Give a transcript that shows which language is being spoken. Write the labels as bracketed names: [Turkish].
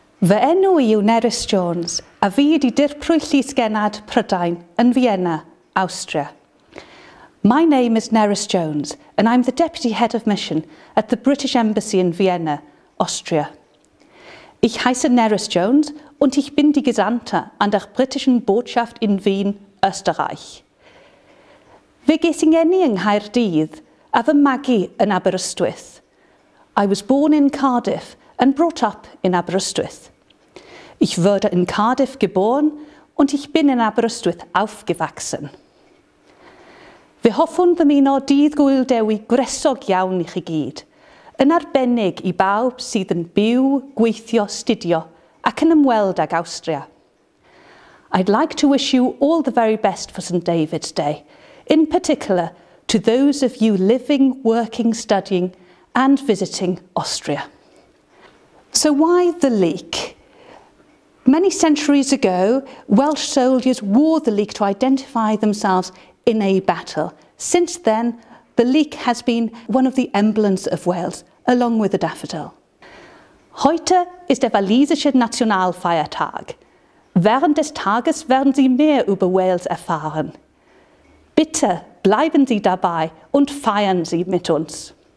[Welsh] Fy enw I yw Nerys Jones, a fi ydi dirprwy llysgenad Prydain yn Vienna, Austria. [English] My name is Nerys Jones, and I'm the Deputy Head of Mission at the British Embassy in Vienna, Austria. [German] Ich heiße Nerys Jones, und ich bin die Gesandte an der britischen Botschaft in Wien, Österreich. [Welsh] Fe ges i ngeni yng Nghaerdydd a fy magu yn Aberystwyth. [English] I was born in Cardiff and brought up in Aberystwyth. [German] Ich wurde in Cardiff geboren und ich bin in Aberystwyth aufgewachsen. [Welsh] Fe hoffwn ddymuno dydd Gwyl Dewi gresog iawn I chi gyd, yn arbennig I bawb sydd yn byw, gweithio, studio ac yn ymweld ag Awstria. [English] I'd like to wish you all the very best for St David's Day, in particular to those of you living, working, studying and visiting Austria. So why the leek? Many centuries ago, Welsh soldiers wore the leek to identify themselves in a battle. Since then, the leek has been one of the emblems of Wales, along with the daffodil. [German] Heute ist der walisische Nationalfeiertag. Während des Tages werden Sie mehr über Wales erfahren. Bitte bleiben Sie dabei und feiern Sie mit uns.